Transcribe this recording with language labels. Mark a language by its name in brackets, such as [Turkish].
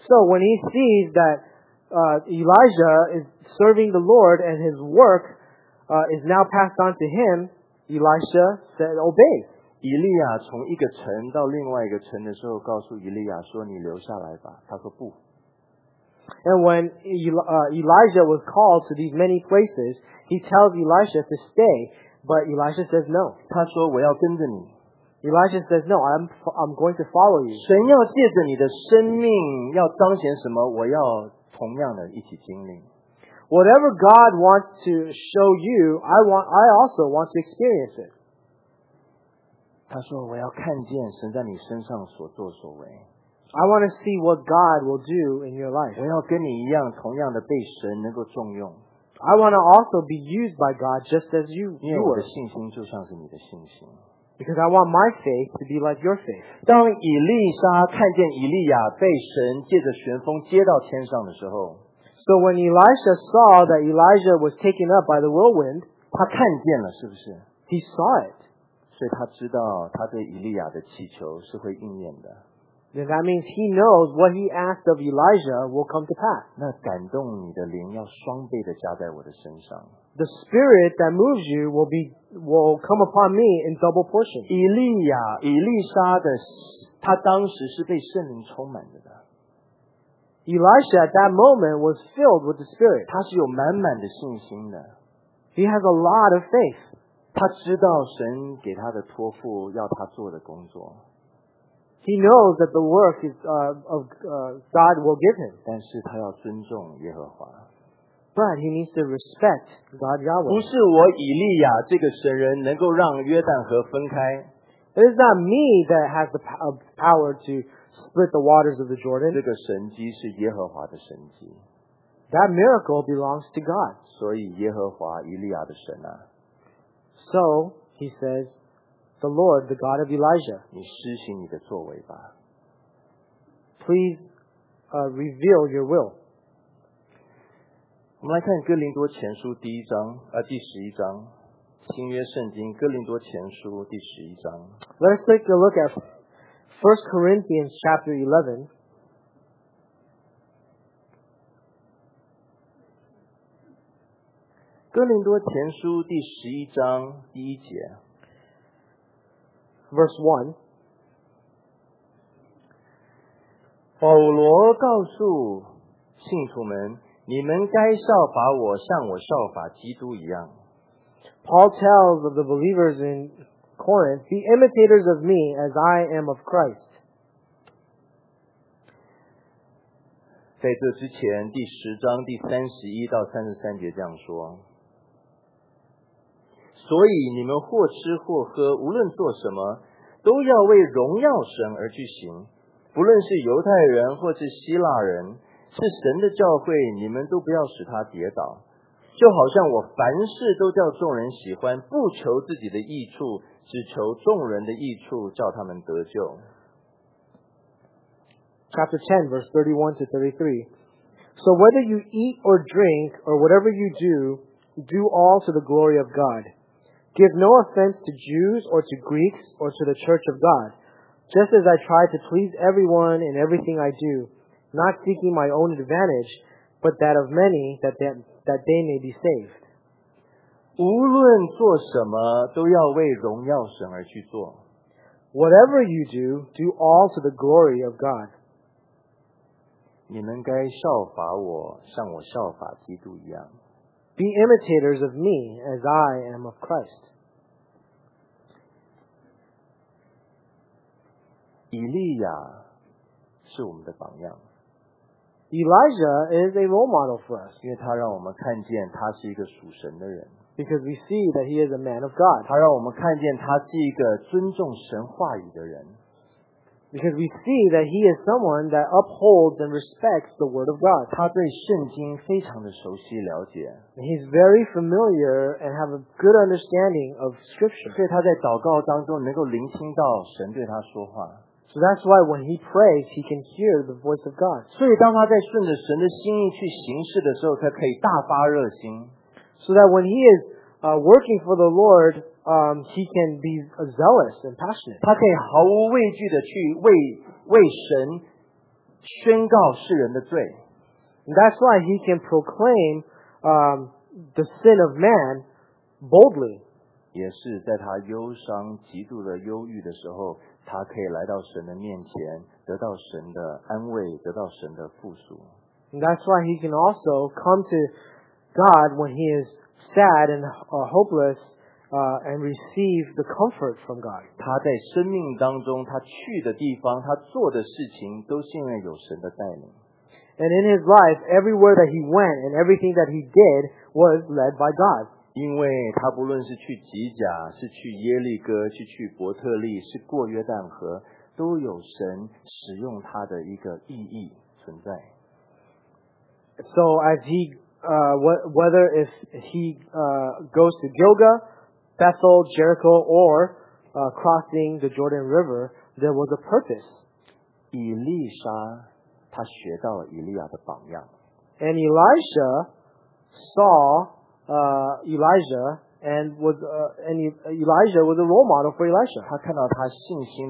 [English] when he sees that Elijah is serving the Lord and his work is now passed on to him, Elisha said, "Obey." [Chinese] 以利亚从一个城到另外一个城的时候，告诉以利亚说：“你留下来吧。”他说：“不。” [English] And when Elijah was called to these many places, he tells Elisha to stay, but Elisha says no. [Chinese] 他说我要跟着你。 [English] Elisha says no, I'm going to follow you. [Chinese] 神要借着你的生命要彰显什么，我要同样的一起经历。 [English] Whatever God wants to show you, I also want to experience it. [Chinese] 他说我要看见神在你身上所作所为。 [English] I want to see what God will do in your life. [Chinese] 我要跟你一样同样的被神能够重用。 [English] I want to also be used by God just as you were. [Chinese] 因为我的信心就像是你的信心。 [English] Because I want my faith to be like your faith. [Chinese] 当以利沙看见以利亚被神借着旋风接到天上的时候， [English] So when Elisha saw that Elijah was taken up by the whirlwind, [Chinese] 他看见了是不是？ [English] He saw it. [Chinese] 所以他知道他对以利亚的祈求是会应验的。 [English] Then that means he knows what he asked of Elijah will come to pass. [Chinese] 那感动你的灵要双倍的加在我的身上。 [English] The spirit that moves you will come upon me in double portion. [Chinese] 以利亚，以利沙的，他当时是被圣灵充满着的。 [English] Elisha at that moment was filled with the spirit. [Chinese] 他是有满满的信心的。 [English] He has a lot of faith. [Chinese] 他知道神给他的托付要他做的工作。 [English] He knows that the work is of God will give him. [Chinese] 但是他要尊重耶和华。 [English] But he needs to respect God Yahweh. [Chinese] 不是我以利亚这个神人能够让约旦河分开。 [English] It is not me that has the power to split the waters of the Jordan. [Chinese] 这个神迹是耶和华的神迹。 [English] That miracle belongs to God. [Chinese] 所以耶和华以利亚的神啊。 [English] So he says,The Lord, the God of Elijah. [Chinese] 你施行你的作为吧。 [English] Please, reveal your will. [Chinese] 我们来看哥林多前书第一章，第十一章，新约圣经哥林多前书第十一章。 [English] Let's take a look at 1 Corinthians chapter 11. [Chinese] 哥林多前书第十一章第一节。 [English] Verse 1. [Chinese] 保罗告诉信徒们，你们该效法我，像我效法基督一样。 [English] Paul tells of the believers in Corinth, be imitators of me as I am of Christ. [Chinese] 在这之前，第十章第三十一到三十三节这样说。所以你们或吃或喝，无论做什么，都要为荣耀神而去行，不论是犹太人或是希腊人，是神的教会，你们都不要使他跌倒。就好像我凡事都叫众人喜欢，不求自己的益处，只求众人的益处，叫他们得救。 [English] Chapter 10 verse 31 to 33. So whether you eat or drink or whatever you do, do all to the glory of God. Give no offense to Jews or to Greeks or to the church of God, just as I try to please everyone in everything I do, not seeking my own advantage, but that of many, that they may be saved. [Chinese] 无论做什么都要为荣耀神而去做。 [English] Whatever you do, do all to the glory of God. [Chinese] 你们该效法我，像我效法基督一样。 [English] Be imitators of me as I am of Christ. [Chinese] 以利亚是我们的榜样。 [English] Elijah is a role model for us. [Chinese] 因为他让我们看见他是一个属神的人。 [English] Because we see that he is a man of God. [Chinese] 他让我们看见他是一个尊重神话语的人。 [English] Because we see that he is someone that upholds and respects the word of God. [Chinese] 他对圣经非常的熟悉了解。 [English] He's very familiar and have a good understanding of scripture. [Chinese] 所以他在祷告当中能够聆听到神对他说话。 [English] So that's why when he prays, he can hear the voice of God. [Chinese] 所以当他在顺着神的心意去行事的时候，他可以大发热心。 [English] So that when he is working for the Lord,he can be zealous and passionate. [Chinese] 他可以毫无畏惧的去 为神宣告世人的罪。 [English] And that's why he can proclaim the sin of man boldly. [Chinese] 也是在他忧伤极度的忧郁的时候，他可以来到神的面前，得到神的安慰，得到神的复苏。 [English] And that's why he can also come to God when he is sad and hopeless,and receive the comfort from God. [Chinese] 他在生命当中，他去的地方，他做的事情，都是因为有神的带领。 [English] And in his life, everywhere that he went and everything that he did was led by God. [Chinese] 因为他不论是去吉甲，是去耶利哥，是去伯特利，是过约旦河。 [English] So as he whether if he goes to Gilgal, Bethel, Jericho, or crossing the Jordan River, there was a purpose. [Chinese] 以利沙，他学到了以利亚的榜样。 [English] And Elisha saw Elijah. And was Elijah was a role model for Elisha.